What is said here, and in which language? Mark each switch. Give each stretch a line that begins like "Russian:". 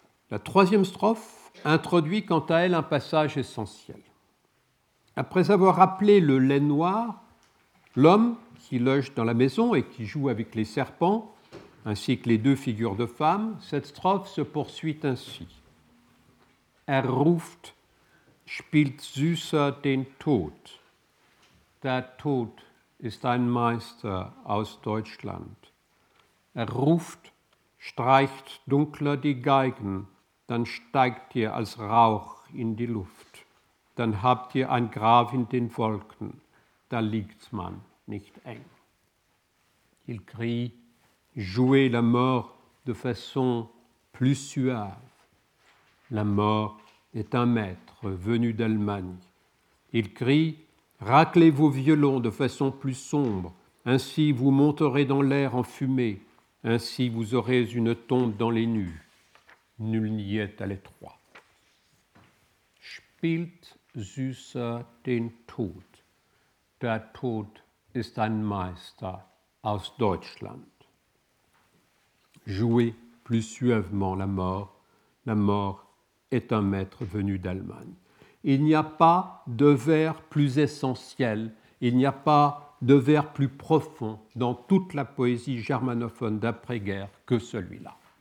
French: La troisième strophe introduit quant à elle un passage essentiel. Après avoir appelé le lait noir, l'homme qui loge dans la maison et qui joue avec les serpents, ainsi que les deux figures de femmes, cette strophe se poursuit ainsi.
German: Ruft, spielt süßer den Tod. Der Tod ist ein Meister aus Deutschland. Ruft, streicht dunkler die Geigen, dann steigt ihr als Rauch in die Luft. Dann habt ihr ein Grab in den Wolken, da liegt man nicht eng.
French: Il crie, jouez la mort de façon plus suave. La mort est un maître venu d'Allemagne. Il crie, raclez vos violons de façon plus sombre, ainsi vous monterez dans l'air en fumée, ainsi vous aurez une tombe dans les nues. Nul n'y est à l'étroit.
German: Spielt süßer den Tod. Der Tod ist ein Meister aus Deutschland.
French: Jouez plus suavement la mort. La mort est un maître venu d'Allemagne. Il n'y a pas de vers plus essentiel, il n'y a pas de vers plus profond dans toute la poésie germanophone d'après-guerre que celui-là.